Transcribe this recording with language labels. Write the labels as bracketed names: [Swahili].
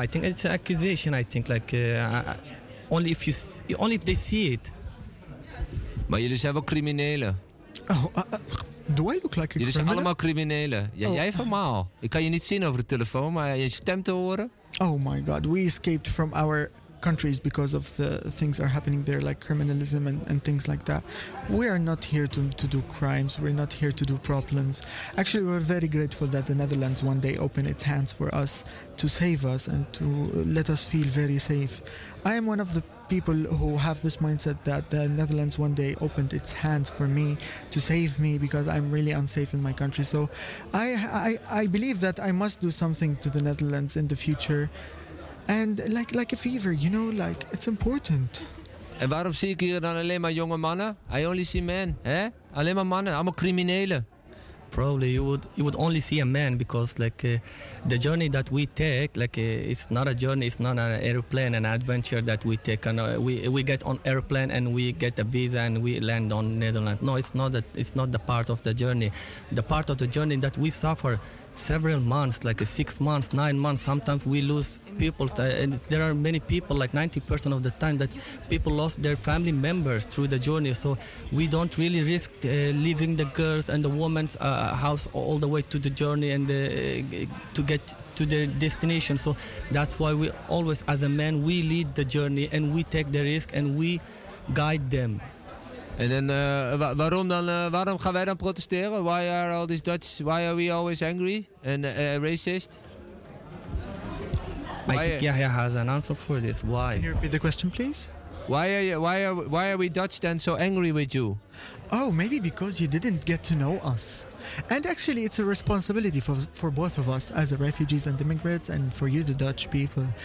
[English] I think it's an accusation. I think like only if they see it. [Dutch] Maar jullie zijn wel criminelen. [English] Oh, do I look like a criminal? [Dutch] Jullie zijn allemaal criminelen. Ja, oh. Jij van Maal. Ik kan je niet zien over de telefoon, maar je stem te horen. [English] Oh my God, we escaped from our countries because of the things are happening there, like criminalism and things like that. We are not here to do crimes. We're not here to do problems. Actually, we're very grateful that the Netherlands one day opened its hands for us to save us and to let us feel very safe. I am one of the people who have this mindset that the Netherlands one day opened its hands for me to save me because I'm really unsafe in my country. So I believe that I must do something to the Netherlands in the future. And like a fever, you know, like, it's important. [Dutch] En waarom zie ik hier dan alleen maar jonge mannen? [English] I only see men, [Dutch] hè? Alleen maar mannen, allemaal criminelen. [English] Probably you would only see a man because like the journey that we take, like it's not a journey, it's not an airplane, an adventure that we take. And we get on airplane and we get a visa and we land on Netherlands. No, it's not the part of the journey. The part of the journey that we suffer several months, like 6 months, 9 months, sometimes we lose people. And there are many people, like 90% of the time, that people lost their family members through the journey. So we don't really risk leaving the girls and the women's house all the way to the journey and to get to their destination. So that's why we always, as a man, we lead the journey and we take the risk and we guide them. And then [Dutch] waarom gaan wij dan protesteren? [English] Why are all these Dutch, why are we always angry and racist? I think Yahya has an answer for this. Why? Can you repeat the question, please? Why are we Dutch then so angry with you? Oh, maybe because you didn't get to know us. And actually, it's a responsibility for both of us as refugees and immigrants and for you, the Dutch people.